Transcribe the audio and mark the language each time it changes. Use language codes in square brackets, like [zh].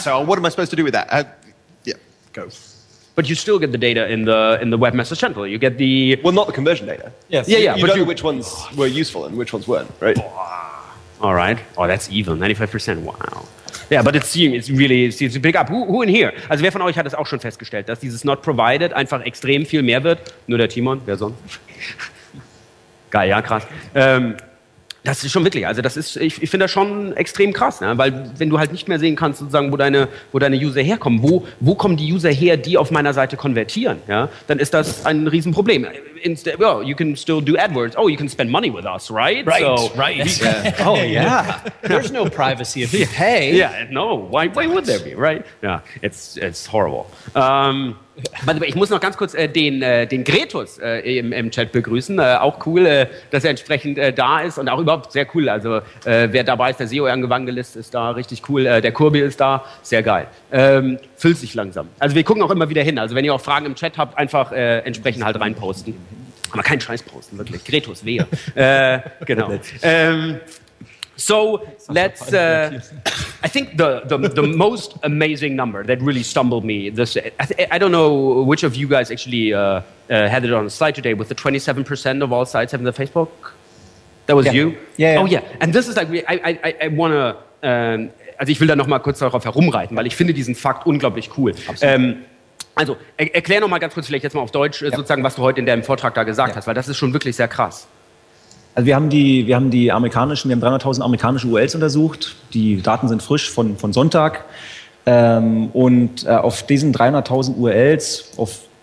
[en] So what am I supposed to do with that? Go. But you still get the data in the Webmaster Central. You get the... Well, not the conversion data. Yes. Yeah, you know which ones were useful and which ones weren't, right? All right. Oh, that's evil. 95%. Wow. [de] Ja, aber es [en] seems to pick up. Who in here? [de] Also wer von euch hat das auch schon festgestellt, dass dieses Not Provided einfach extrem viel mehr wird? Nur der Timon, wer sonst? Geil, ja, krass. Das ist schon wirklich, also das ist, ich finde das schon extrem krass, ne? Weil wenn du halt nicht mehr sehen kannst, sozusagen, wo deine User herkommen, wo kommen die User her, die auf meiner Seite konvertieren, ja, dann ist das ein Riesenproblem. [en] Instead, well, you can still do AdWords. Oh, you can spend money with us, right? Right, so, right. Yeah. Oh, yeah. There's no privacy if you pay. Yeah, no, why would there be, right? Yeah, it's horrible. By the way, [de] ich muss noch ganz kurz den Gretus im Chat begrüßen. Auch cool, dass er entsprechend da ist und auch überhaupt sehr cool. Also wer dabei ist, der SEO-Angewandte-List ist da, richtig cool. Der Kurbi ist da, sehr geil. Füllt sich langsam. Also wir gucken auch immer wieder hin. Also wenn ihr auch Fragen im Chat habt, einfach entsprechend halt reinposten. Aber keinen Scheiß posten, wirklich. Gretus, wehe. genau. [en] So let's. I think the most amazing number that really stumbled me. I don't know which of you guys actually had it on the slide today with the 27% of all sites having the Facebook. That was you. Yeah. Oh yeah. And this is like I want to. [de] Also ich will da noch mal kurz darauf herumreiten, weil ich finde diesen Fakt unglaublich cool. Also erklär noch mal ganz kurz vielleicht jetzt mal auf Deutsch sozusagen, was du heute in deinem Vortrag da gesagt hast, weil das ist schon wirklich sehr krass. Also wir haben 300.000 amerikanische URLs untersucht. Die Daten sind frisch von Sonntag. Und auf diesen 300.000 URLs, auf